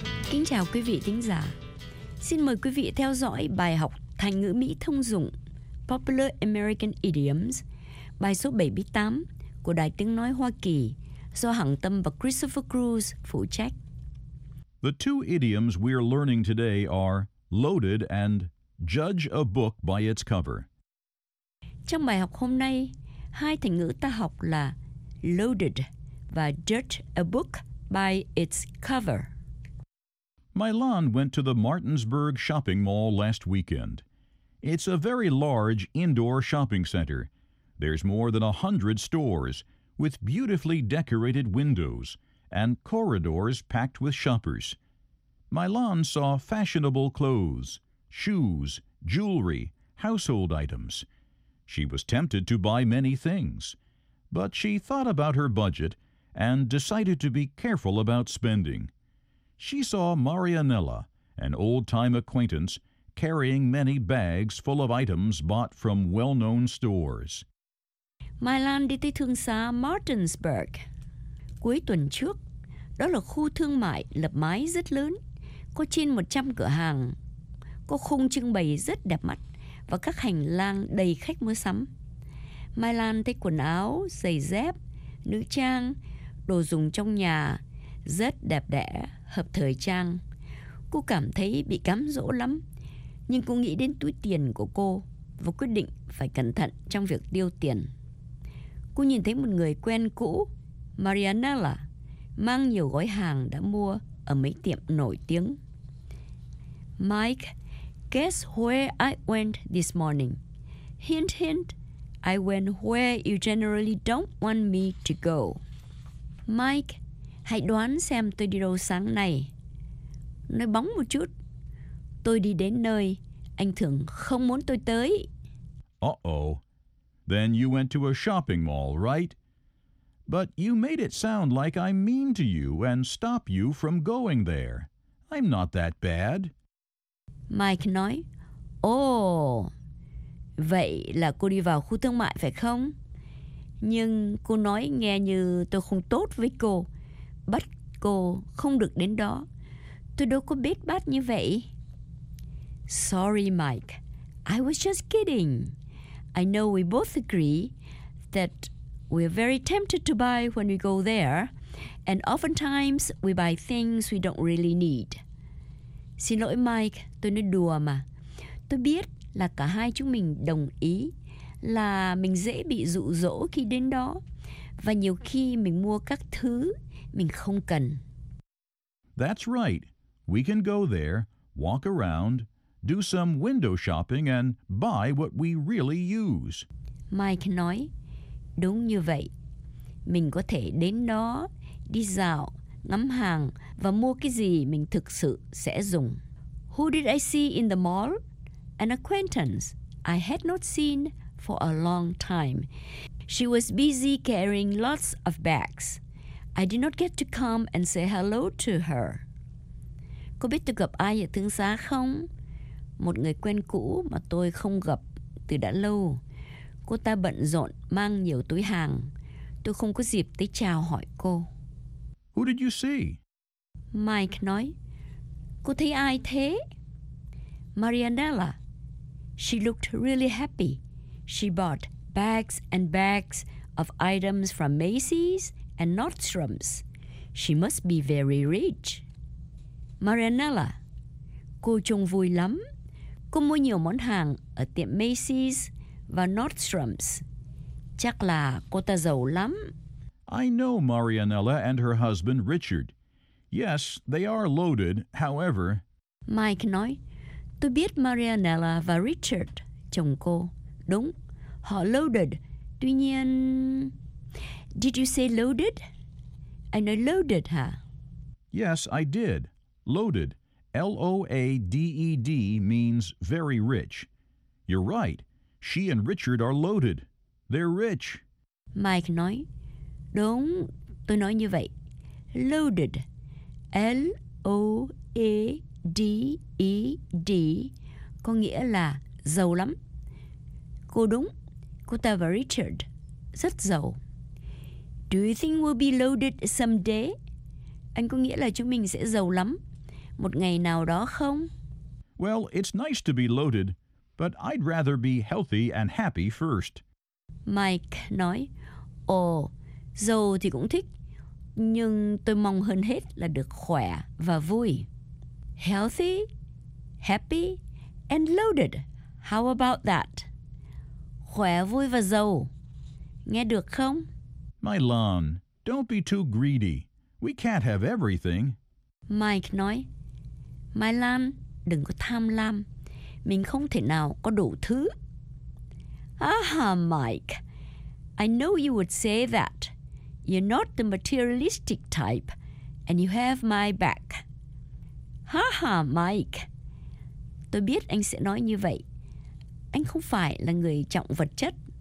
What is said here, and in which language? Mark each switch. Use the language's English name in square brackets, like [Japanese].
[Vietnamese] Kính chào quý vị thính giả. Xin mời quý vị theo dõi bài học thành ngữ Mỹ thông dụng [English] Popular American Idioms, [Vietnamese] bài số 78 của Đài Tiếng Nói Hoa Kỳ do Hằng Tâm và Christopher Cruz phụ trách. [English] The two idioms we are learning today are loaded and judge a book by its cover. [Vietnamese] Trong bài học hôm nay, hai thành ngữ ta học là loaded và [English] judge a book by its cover. Milan went to the Martinsburg shopping mall last weekend. It's a very large indoor shopping center. There's more than 100 stores with beautifully decorated windows and corridors packed with shoppers. Milan saw fashionable clothes, shoes, jewelry, household items. She was tempted to buy many things, but she thought about her budget and decided to be careful about spending. She saw Marianella, an old-time acquaintance, carrying many bags full of items bought from well-known stores. [Vietnamese] Milan đi tới thương xá Martinsburg. Cuối tuần trước, đó là khu thương mại lập mái rất lớn, có trên 100 cửa hàng, có khung trưng bày rất đẹp mắt và các hành lang đầy khách mua sắm. Mai Lan thấy quần áo, giày dép, nữ trang, đồ dùng trong nhà rất đẹp đẽ, hợp thời trang. Cô cảm thấy bị cám dỗ lắm, nhưng cô nghĩ đến túi tiền của cô và quyết định phải cẩn thận trong việc tiêu tiền. Cô nhìn thấy một người quen cũ, Marianella, mang nhiều gói hàng đã mua ở mấy tiệm nổi tiếng. [English] Mike, guess where I went this morning? Hint, hint, I went where you generally don't want me to go. [Vietnamese] Mike, hãy đoán xem tôi đi đâu sáng nay. Nói bóng một chút. Tôi đi đến nơi anh thường không muốn tôi tới. Uh-oh. [English] Then you went to a shopping mall, right? But you made it sound like I'm mean to you and stop you from going there. I'm not that bad. [Vietnamese] Mike nói, vậy là cô đi vào khu thương mại phải không? Nhưng cô nói nghe như tôi không tốt với cô, bắt cô không được đến đó. Tôi đâu có biết bát như vậy. [English] Sorry, Mike. I was just kidding. I know we both agree that we're very tempted to buy when we go there, and oftentimes we buy things we don't really need. [Vietnamese] Xin lỗi Mike, tôi nói đùa mà. Tôi biết là cả hai chúng mình đồng ý là mình dễ bị dụ dỗ khi đến đó, và nhiều khi mình mua các thứ mình không cần. [English] That's right. We can go there, walk around, do some window shopping and buy what we really use. [Vietnamese] Mike nói, đúng như vậy. Mình có thể đến đó, đi dạo, ngắm hàng và mua cái gì mình thực sự sẽ dùng. [English] Who did I see in the mall? An acquaintance I had not seen for a long time. She was busy carrying lots of bags. I did not get to come and say hello to her. [Vietnamese] Cô biết tôi gặp ai ở thương xá không? Một người quen cũ mà tôi không gặp từ đã lâu. Cô ta bận rộn mang nhiều túi hàng. Tôi không có dịp tới chào hỏi cô. [English] Who did you see? [Vietnamese] Mike nói, cô thấy ai thế? [English] Marianella. She looked really happy. She bought bags and bags of items from Macy's and Nordstrom's. She must be very rich. [Vietnamese] Marianella, cô trông vui lắm. Cô mua nhiều món hàng ở tiệm Macy's và Nordstrom's. Chắc là cô ta giàu lắm. [English] I know Marianella and her husband Richard. Yes, they are loaded, however. [Vietnamese] Mike nói, tôi biết Marianella và Richard, chồng cô. Đúng, họ loaded. Tuy nhiên... [English] Did you say loaded? [Vietnamese] Anh nói loaded, hả? [English] Yes, I did. Loaded, L-O-A-D-E-D, means very rich. You're right. She and Richard are loaded. They're rich. [Vietnamese] Mike nói, đúng, tôi nói như vậy. Loaded, L-O-A-D-E-D, có nghĩa là giàu lắm. Cô đúng, cô ta và Richard rất giàu. [English] Do you think we'll be loaded someday? [Vietnamese] Anh có nghĩa là chúng mình sẽ giàu lắm. Một ngày nào đó không? [English] Well, it's nice to be loaded, but I'd rather be healthy and happy first. [Vietnamese] Mike nói, giàu thì cũng thích, nhưng tôi mong hơn hết là được khỏe và vui. [English] Healthy, happy, and loaded. How about that? [Vietnamese] Khỏe, vui và giàu. Nghe được không? [English] Milan, don't be too greedy. We can't have everything. [Vietnamese] Mike nói, Mai Lan, đừng có tham lam. Mình không thể nào có đủ thứ. [English] Aha, Mike. I know you would say that. You're not the materialistic type, and you have my back. Haha, Mike. [Vietnamese] Tôi biết anh sẽ nói như vậy. Anh không phải là người trọng vật chất.